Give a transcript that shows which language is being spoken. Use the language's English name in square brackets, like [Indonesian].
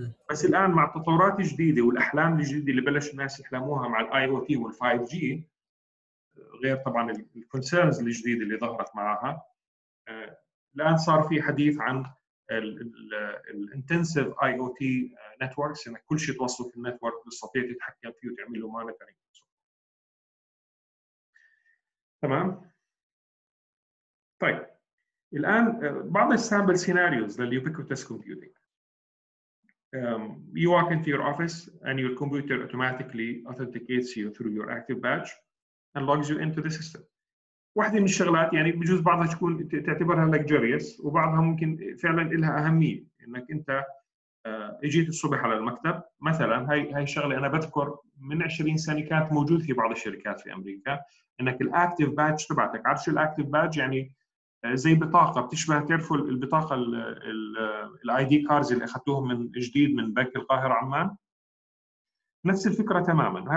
[Arabic] بس الان مع التطورات الجديده والاحلام الجديده اللي بلش الناس يحلموها مع الاي او تي وال5G، غير طبعا الكونسيرنز الجديده اللي ظهرت معها، الان صار في حديث عن الانتنسيف اي او تي نتوركس، ان كل شيء توصله في النتورك تستطيع تتحكم فيه وتعمل له مونيتورنج. تمام. طيب الان بعض السامبل سيناريوز لليوبيكوتس كومبيوتينج. [English] You walk into your office and your computer automatically authenticates you through your active badge and logs you into the system. [Arabic] واحدة من الشغلات يعني بجوز بعضها تكون تعتبرها luxurious وبعضها ممكن فعلا لها أهمية، انك انت اجيت الصبح على المكتب مثلا. هاي الشغلة انا بذكر من 20 سنة كانت موجود في بعض الشركات في امريكا، انك الاكتيف بادج تبعتك، عارف شو الاكتيف بادج؟ يعني زي بطاقة بتشبه، تعرفوا البطاقة الاي دي كارز اللي اخذتوهم من جديد من بنك القاهرة عمان، نفس الفكره تماما.